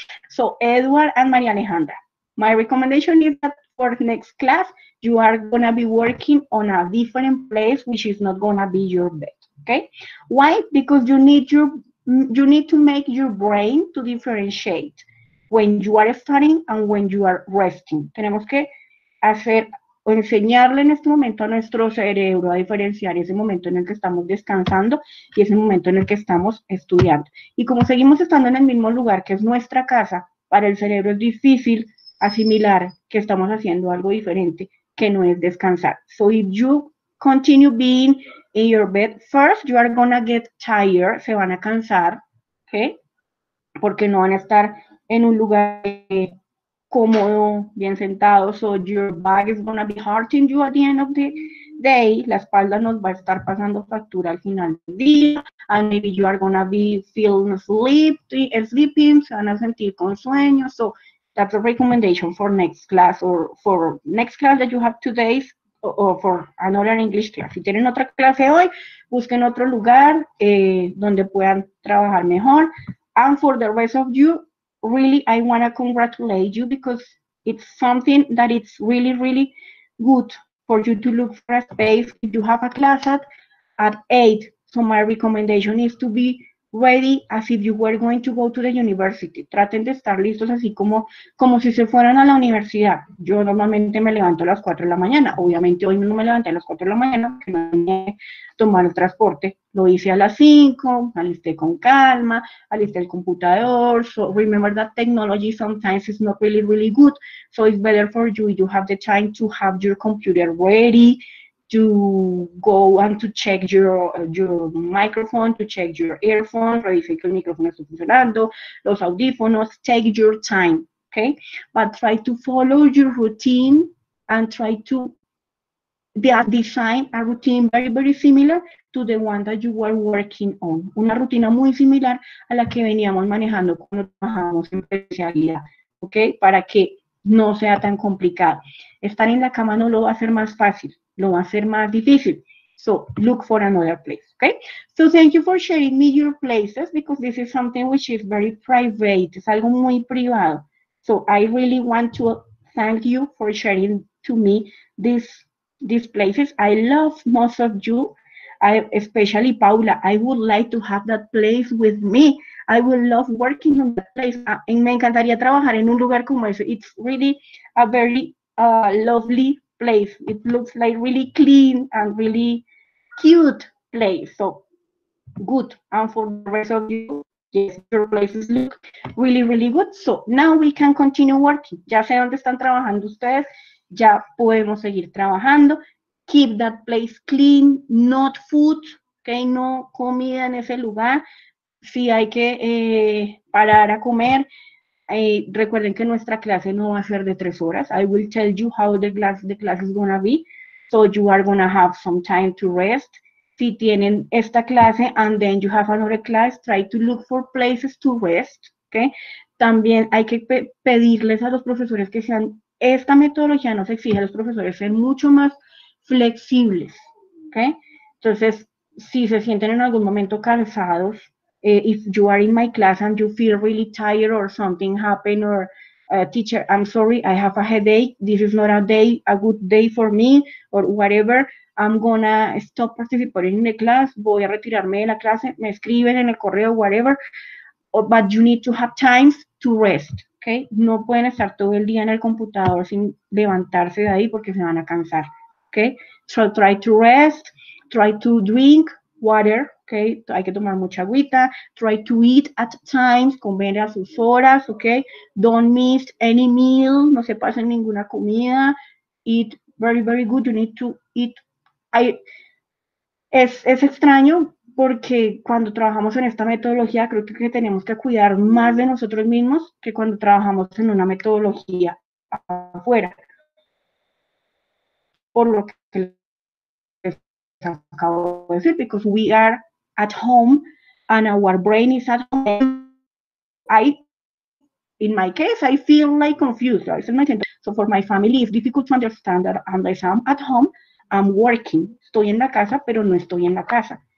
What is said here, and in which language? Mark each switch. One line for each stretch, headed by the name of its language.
English: So, Edward and Maria Alejandra, my recommendation is that for next class, you are going to be working on a different place, which is not going to be your bed, okay? Why? Because you need to make your brain to differentiate when you are studying and when you are resting.
Spanish: Tenemos que hacer... o enseñarle en este momento a nuestro cerebro a diferenciar ese momento en el que estamos descansando y ese momento en el que estamos estudiando. Y como seguimos estando en el mismo lugar que es nuestra casa, para el cerebro es difícil asimilar que estamos haciendo algo diferente que no es descansar.
English: So if you continue being In your bed first, you are gonna get tired,
Spanish: se van a cansar,
English: ¿okay?
Spanish: Porque no van a estar en un lugar cómodo, bien sentado.
English: So your back is gonna be hurting you at the end of the day.
Spanish: La espalda nos va a estar pasando factura al final del día.
English: And maybe you are gonna be feeling sleeping,
Spanish: se van a sentir con sueño.
English: So that's a recommendation for next class or for next class that you have 2 days. O for another English class.
Spanish: Si tienen otra clase hoy, busquen otro lugar donde puedan trabajar mejor.
English: And for the rest of you, really, I want to congratulate you because it's something that it's really, really good for you to look for a space. You have a class at 8, so my recommendation is to be ready as if you were going to go to the university.
Spanish: Traten de estar listos así como si se fueran a la universidad. Yo normalmente me levanto a las 4 de la mañana. Obviamente hoy no me levanté a las 4 de la mañana porque no tenía tomar el transporte. Lo hice a las 5, alisté con calma, alisté el computador.
English: So remember that technology sometimes is not really, really good. So it's better for you. You have the time to have your computer ready. To go and to check your microphone, to check your earphones,
Spanish: revisar que el micrófono está funcionando, los audífonos,
English: take your time, okay? But try to follow your routine and try to design a routine very, very similar to the one that you were working on.
Spanish: Una rutina muy similar a la que veníamos manejando cuando trabajamos en presencialidad, okay? Para que no sea tan complicado. Estar en la cama no lo va a hacer más fácil. Lo va a hacer más difícil.
English: So, look for another place, okay? So, thank you for sharing me your places because this is something which is very private.
Spanish: Es algo muy privado.
English: So, I really want to thank you for sharing to me these places. I love most of you. Especially Paula, I would like to have that place with me. I would love working on that place.
Spanish: Y me encantaría trabajar en un lugar como ese.
English: It's really a very lovely place. It looks like really clean and really cute place. So good. And for the rest of you, yes, your places look really, really good. So now we can continue working.
Spanish: Ya sé dónde están trabajando ustedes. Ya podemos seguir trabajando.
English: Keep that place clean, not food.
Spanish: Okay, no comida en ese lugar. Si hay que parar a comer. Recuerden que nuestra clase no va a ser de 3 horas.
English: I will tell you how the class is going to be. So you are going to have some time to rest.
Spanish: Si tienen esta clase
English: and then you have another class, try to look for places to rest. Okay?
Spanish: También hay que pe pedirles a los profesores que sean, esta metodología nos exige a los profesores ser mucho más flexibles.
English: Okay?
Spanish: Entonces, si se sienten en algún momento cansados,
English: if you are in my class and you feel really tired or something happened, or teacher, I'm sorry, I have a headache. This is not a good day for me, or whatever. I'm gonna stop participating in the class.
Spanish: Voy a retirarme de la clase. Me escriben en el correo,
English: whatever. But you need to have times to rest. Okay?
Spanish: No pueden estar todo el día en el computador sin levantarse de ahí porque se van a cansar.
English: Okay? So try to rest. Try to drink water.
Spanish: Okay, hay que tomar mucha agüita.
English: Try to eat at times,
Spanish: comer a sus horas.
English: Okay, don't miss any meal.
Spanish: No se pasen ninguna comida.
English: Eat very, very good. You need to eat.
Spanish: Es extraño porque cuando trabajamos en esta metodología, creo que tenemos que cuidar más de nosotros mismos que cuando trabajamos en una metodología afuera. Por lo que les acabo de decir,
English: because we are at home and our brain is at home. In my case, I feel like confused. So for my family, it's difficult to understand that unless I'm at home, I'm working.
Spanish: Estoy en la casa, pero no estoy en la casa.